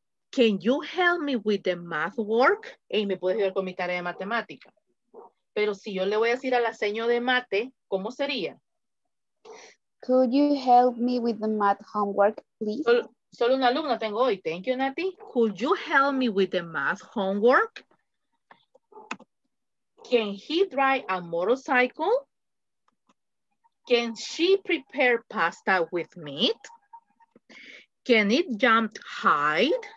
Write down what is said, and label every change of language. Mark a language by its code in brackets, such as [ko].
[en] Can you help me with the math work? [es] Hey, ¿me puedes ayudar con mi tarea de matemática? Pero si yo le voy a decir a la seño de mate, ¿cómo sería? [en] Could you help me with the math homework, please? [es] Solo una alumna tengo hoy. [en] Thank you, [es] Nati. [en] Could you help me with the math homework? Can he drive a motorcycle? Can she prepare pasta with meat? Can it jump high